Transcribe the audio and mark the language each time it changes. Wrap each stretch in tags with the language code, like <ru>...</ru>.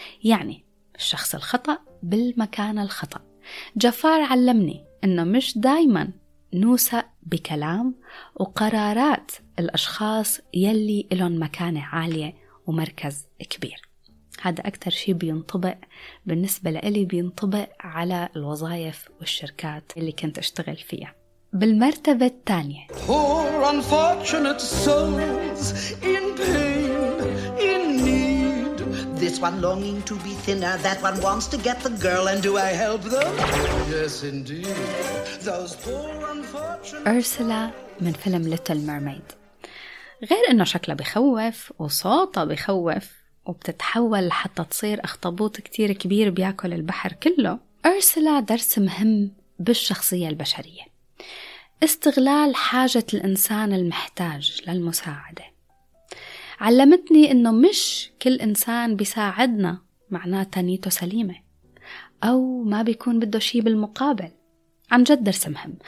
<ar>يعني الشخص الخطأ بالمكان الخطأ. جفار علمني أنه مش دايماً نوثق بكلام وقرارات الأشخاص يلي إلهم مكانة عالية ومركز كبير. هذا أكثر شيء بينطبق بالنسبة لي، بينطبق على الوظائف والشركات اللي كنت أشتغل فيها. بالمرتبة الثانية،</ar> <en>Poor unfortunate souls in pain in need. This one longing to be thinner, that one wants to get the girl, and do I help them? Yes indeed. Those poor unfortunate.</en> <ar>أرسلة من فيلم Little Mermaid. غير إنه شكلها بيخوف وصوتها بيخوف وبتتحول حتى تصير أخطبوط كتير كبير بياكل البحر كله، أرسلة درس مهم بالشخصية البشرية. استغلال حاجة الإنسان المحتاج للمساعدة علمتني إنه مش كل إنسان بيساعدنا معناه تانيته سليمة أو ما بيكون بده شي بالمقابل. عن جد درس مهم.</ar>